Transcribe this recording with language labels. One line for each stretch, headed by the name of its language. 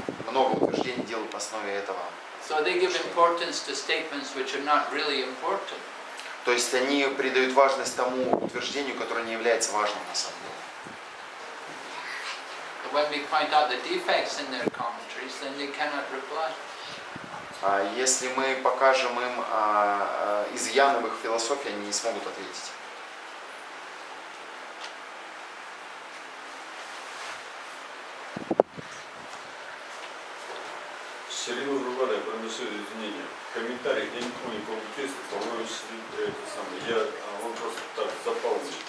Russian: Много утверждений делают на основе этого.
English: So they give importance to statements which are not really important.
Russian: То есть они придают важность тому утверждению, которое не является важным на самом деле.
English: When we point out the defects in their commentaries, then they cannot reply.
Russian: Если мы покажем им изъяны в их философии, они не смогут ответить. Шрила Прабхупада, я приношу извинения. Комментарий, я никому не получился, по-моему, он просто так запал.